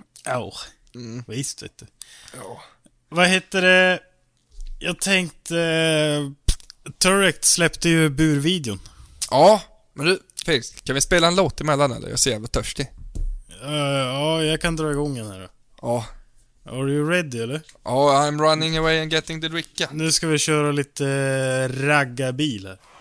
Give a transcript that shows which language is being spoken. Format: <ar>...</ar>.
<sv>Ja. Oh. Mm. Visst vet du. Ja. Vad heter det? Jag tänkte Turret släppte ju burvideon. Ja, men du Felix, kan vi spela en låt emellan eller? Jag ser jävla törstig. Ja, jag kan dra igång den här då. Ja.</sv> <en>Are you ready eller? Ja, I'm running away and getting the dricka.</en> <sv>Nu ska vi köra lite ragga bil här.</sv>